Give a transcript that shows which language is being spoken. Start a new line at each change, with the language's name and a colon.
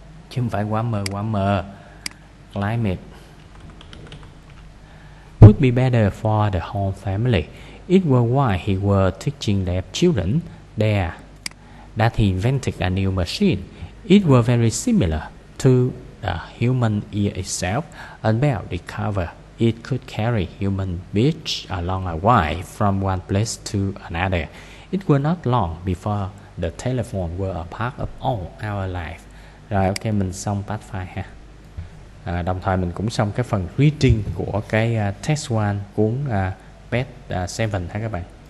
Vietnamese: Chứ không phải warmer, climate.
English: Would be better for the whole family. It was while he was teaching their children there that he invented a new machine. It was very similar to the human ear itself, and Bell discovered it could carry human speech along a wire from one place to another. It was not long before the telephone were a part of all our life.
Vietnamese: Rồi, ok, mình xong part 5 ha. Đồng thời mình cũng xong cái phần reading của cái test 1 cuốn Pet 7 ha các bạn.